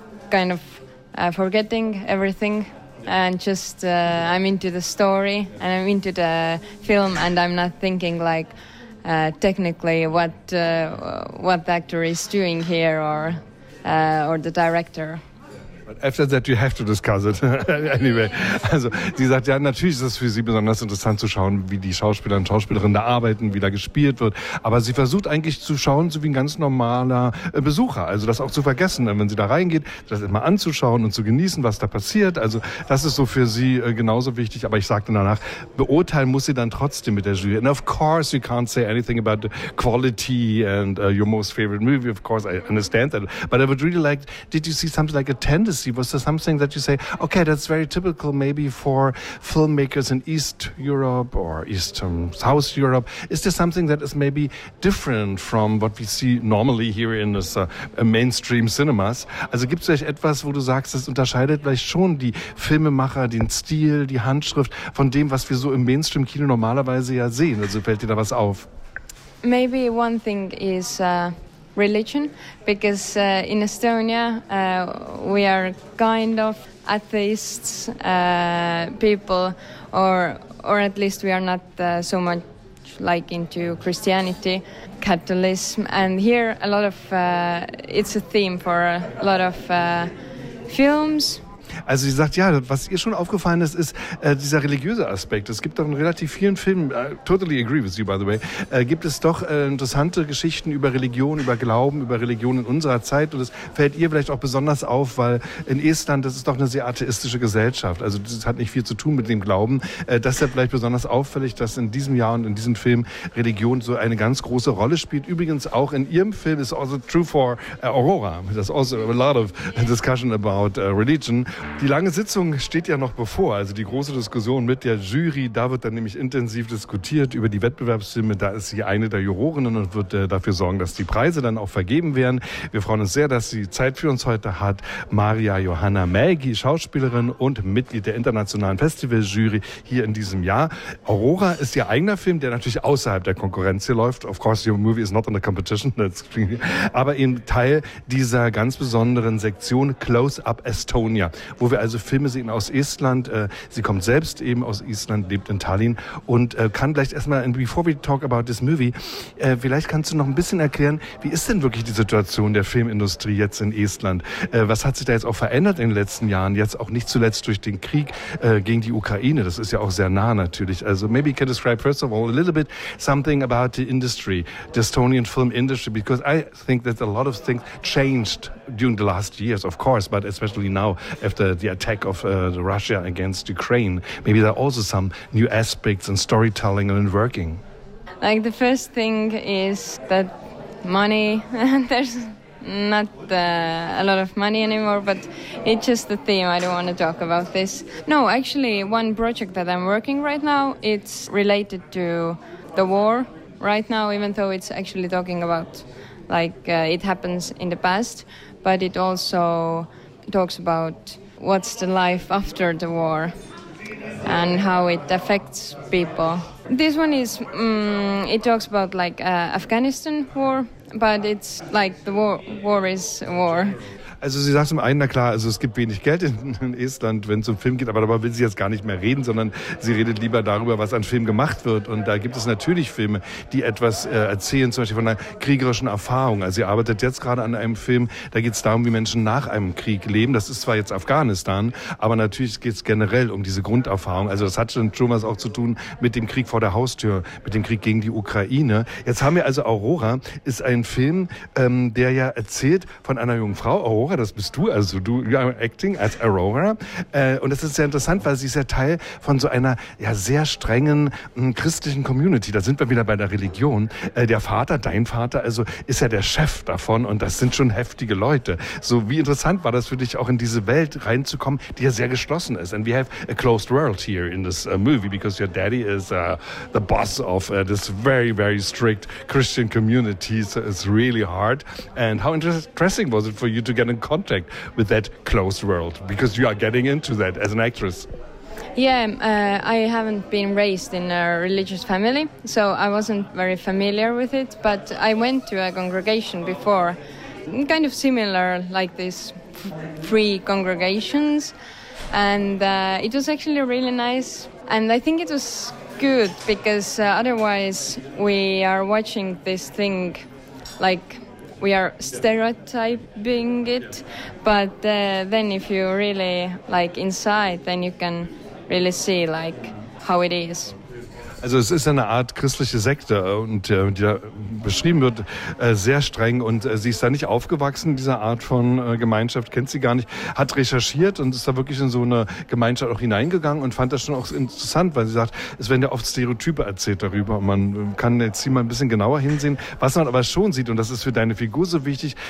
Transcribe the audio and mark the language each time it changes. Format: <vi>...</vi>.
<en>kind of forgetting everything and just I'm into the story and I'm into the film, and I'm not thinking like technically what the actor is doing here or the director. After that, you have to discuss it.</en> <de>Anyway, also sie sagt, ja, natürlich ist es für sie besonders interessant zu schauen, wie die Schauspieler und Schauspielerinnen da arbeiten, wie da gespielt wird. Aber sie versucht eigentlich zu schauen, so wie ein ganz normaler Besucher. Also das auch zu vergessen, wenn sie da reingeht, das immer anzuschauen und zu genießen, was da passiert. Also das ist so für sie genauso wichtig. Aber ich sagte danach, beurteilen muss sie dann trotzdem mit der Jury.</de> <en>And of course, you can't say anything about the quality and your most favorite movie. Of course, I understand that. But I would really like, did you see something like a tendency? Was there something that you say, okay, that's very typical maybe for filmmakers in East Europe or Eastern South Europe? Is there something that is maybe different from what we see normally here in this mainstream cinemas?</en> <de>Also gibt es vielleicht etwas, wo du sagst, das unterscheidet vielleicht schon die Filmemacher, den Stil, die Handschrift von dem, was wir so im Mainstream-Kino normalerweise ja sehen? Also fällt dir da was auf?</de> <en>Maybe one thing is religion, because in Estonia we are kind of atheists people, or at least we are not so much like into Christianity, Catholicism, and here a lot of it's a theme for a lot of films.</en> <de>Also sie sagt, ja, was ihr schon aufgefallen ist, ist dieser religiöse Aspekt. Es gibt doch in relativ vielen Filmen,</de> <en>totally agree with you by the way,</en> <de>gibt es doch interessante Geschichten über Religion, über Glauben, über Religion in unserer Zeit. Und das fällt ihr vielleicht auch besonders auf, weil in Estland, das ist doch eine sehr atheistische Gesellschaft. Also das hat nicht viel zu tun mit dem Glauben. Das ist ja vielleicht besonders auffällig, dass in diesem Jahr und in diesem Film Religion so eine ganz große Rolle spielt. Übrigens auch in ihrem Film</de> <en>is also true for Aurora. There's also a lot of discussion about religion.</en> <de>Die lange Sitzung steht ja noch bevor, also die große Diskussion mit der Jury, da wird dann nämlich intensiv diskutiert über die Wettbewerbsfilme, da ist sie eine der Jurorinnen und wird dafür sorgen, dass die Preise dann auch vergeben werden. Wir freuen uns sehr, dass sie Zeit für uns heute hat, Maria Johanna Mägi, Schauspielerin und Mitglied der Internationalen Festivaljury hier in diesem Jahr. Aurora ist ihr eigener Film, der natürlich außerhalb der Konkurrenz hier läuft.</de> <en>Of course, your movie is not in the competition,</en> <de>aber eben Teil dieser ganz besonderen Sektion Close Up Estonia, wo wir also Filme sehen aus Estland. Sie kommt selbst eben aus Estland, lebt in Tallinn und kann gleich erstmal,</de> <en>before we talk about this movie,</en> <de>vielleicht kannst du noch ein bisschen erklären, wie ist denn wirklich die Situation der Filmindustrie jetzt in Estland? Was hat sich da jetzt auch verändert in den letzten Jahren, jetzt auch nicht zuletzt durch den Krieg gegen die Ukraine? Das ist ja auch sehr nah natürlich.</de> <en>Also maybe you can describe first of all a little bit something about the industry, the Estonian film industry, because I think that a lot of things changed during the last years, of course, but especially now, after the attack of Russia against Ukraine. Maybe there are also some new aspects in storytelling and in working. Like the first thing is that money, there's not a lot of money anymore, but it's just the theme, I don't want to talk about this. No, actually one project that I'm working right now, it's related to the war right now, even though it's actually talking about, like it happens in the past, but it also talks about what's the life after the war and how it affects people. This one is it talks about like Afghanistan war, but it's like the war is war.</en> <de>Also sie sagt zum einen, na klar, also es gibt wenig Geld in Estland, wenn es um Film geht, aber darüber will sie jetzt gar nicht mehr reden, sondern sie redet lieber darüber, was an Film gemacht wird. Und da gibt es natürlich Filme, die etwas erzählen, zum Beispiel von einer kriegerischen Erfahrung. Also sie arbeitet jetzt gerade an einem Film, da geht es darum, wie Menschen nach einem Krieg leben. Das ist zwar jetzt Afghanistan, aber natürlich geht es generell um diese Grunderfahrung. Also das hat schon was auch zu tun mit dem Krieg vor der Haustür, mit dem Krieg gegen die Ukraine. Jetzt haben wir also Aurora, ist ein Film, der ja erzählt von einer jungen Frau, Aurora. Das bist du, also du,</de> <en>you are acting as Aurora.</en> <de>Und das ist sehr interessant, weil sie ist ja Teil von so einer ja sehr strengen christlichen Community. Da sind wir wieder bei der Religion. Der Vater, dein Vater, also ist ja der Chef davon und das sind schon heftige Leute. So, wie interessant war das für dich, auch in diese Welt reinzukommen, die ja sehr geschlossen ist?</de> <en>And we have a closed world here in this movie, because your daddy is the boss of this very, very strict Christian community. So it's really hard. And how interesting was it for you to get in contact with that closed world, because you are getting into that as an actress? Yeah, I haven't been raised in a religious family, so I wasn't very familiar with it, but I went to a congregation before, kind of similar like these free congregations, and it was actually really nice, and I think it was good, because otherwise we are watching this thing like we are stereotyping it, but then if you really like inside, then you can really see like how it is.</en> <de>Also es ist eine Art christliche Sekte und die beschrieben wird sehr streng und sie ist da nicht aufgewachsen, diese Art von Gemeinschaft, kennt sie gar nicht, hat recherchiert und ist da wirklich in so eine Gemeinschaft auch hineingegangen und fand das schon auch interessant, weil sie sagt, es werden ja oft Stereotype erzählt darüber und man kann jetzt hier mal ein bisschen genauer hinsehen, was man aber schon sieht und das ist für deine Figur so wichtig,</de>